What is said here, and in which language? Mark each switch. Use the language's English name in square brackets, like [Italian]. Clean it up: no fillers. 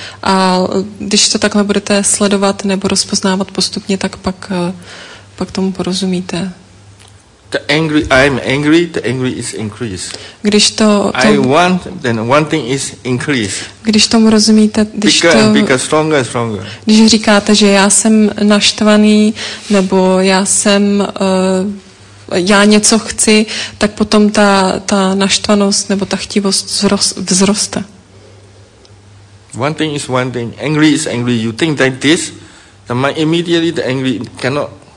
[Czech] A když to takhle budete sledovat nebo rozpoznávat postupně, tak pak tomu porozumíte. [English] The angry, I'm angry, the angry is increased. [Czech] Když to [English] I want, then wanting is increased. [Czech] Když tomu rozumíte, když [English] bigger to... Because stronger, stronger. [Czech] Když říkáte, že já jsem naštvaný, nebo já jsem, já něco chci, tak potom ta naštvanost, nebo ta chtivost vzroste. [English] Wanting is wanting, angry is angry. You think like this, the mind immediately the angry cannot...